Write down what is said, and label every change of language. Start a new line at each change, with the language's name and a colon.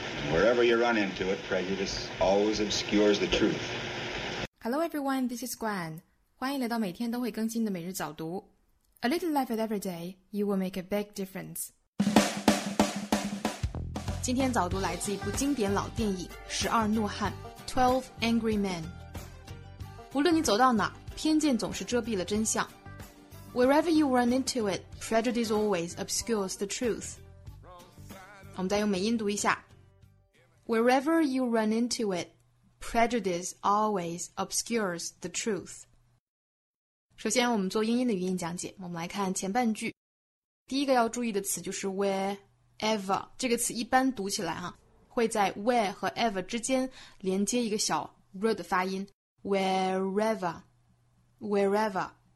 English: Wherever you run into it, prejudice always obscures the truth. Hello everyone, this is Gwen.
Chinese: 欢迎来到每天都会更新的每日早读。
English: A little effort every day, you will make a big difference.
Chinese: 今天早读来自一部经典老电影《十二怒汉》（12 Angry Men）。无论你走到哪，偏见总是遮蔽了真相。
English: Wherever you run into it, prejudice always obscures the truth.
Chinese: 我们再用美音读一下。
English: Wherever you run into it, prejudice always obscures the truth.
Chinese: 首先我们做英音的语音讲解，我们来看前半句。第一个要注意的词就是 wherever, 这个词一般读起来会在 where 和 ever 之间连接一个小 r 的发音 wherever, wherever。